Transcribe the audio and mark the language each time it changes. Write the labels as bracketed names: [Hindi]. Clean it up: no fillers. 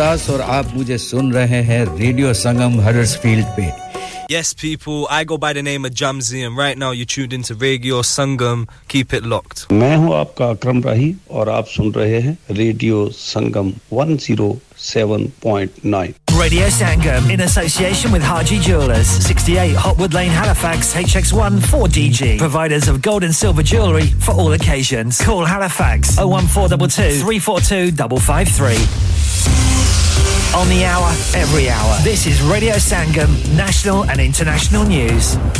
[Hindi] और आप मुझे सुन रहे हैं रेडियो संगम हडर्सफील्ड पे. [English] Yes, people, I go by the name of Jamzy, and right now you're tuned into Radio Sangam. Keep it locked. [Hindi] मैं हूं आपका अकरम राही और आप सुन रहे हैं radio Sangam 107.9. [English] Radio Sangam, in association with Haji Jewelers. 68 Hotwood Lane, Halifax, HX1 4DG. Providers of gold and silver jewellery for all occasions. Call Halifax 01422 342 553. On the hour, every hour. This is Radio Sangam, national and international news.